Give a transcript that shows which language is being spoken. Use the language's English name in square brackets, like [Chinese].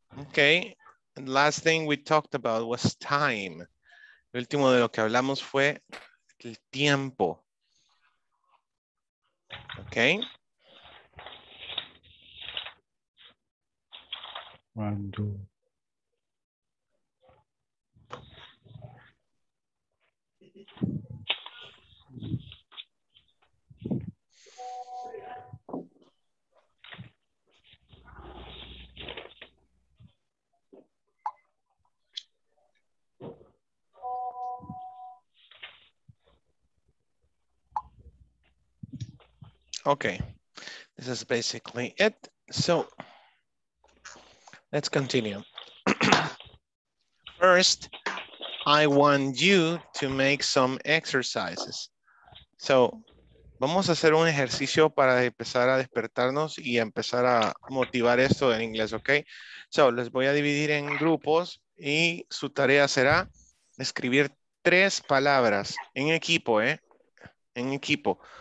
[English] Okay, and last thing we talked about was time. [Spanish] El último de lo que hablamos fue el tiempo. [English] Okay. One, two. Okay, this is basically it. So let's continue. First, I want you to make some exercises. [Spanish] So, vamos a hacer un ejercicio para empezar a despertarnos y empezar a motivar esto en inglés, ¿ok? So, les voy a dividir en grupos y su tarea será escribir tres palabras en equipo, ¿eh? En equipo.